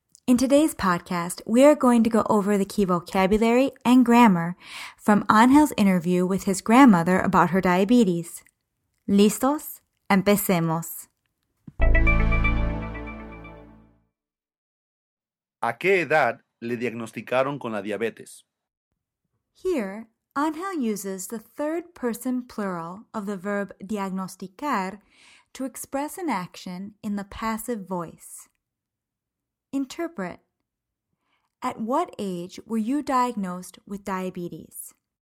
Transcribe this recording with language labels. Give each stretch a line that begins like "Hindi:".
English: In today's podcast, we are going to go over the key vocabulary and grammar from Angel's interview with his grandmother about her diabetes.
Spanish: ¿Listos? Empecemos. ¿A qué edad le diagnosticaron con la diabetes?
English: Here, Angel uses the third-person plural of the verb diagnosticar to express an action in the passive voice. Interpret. At what age were you diagnosed with diabetes?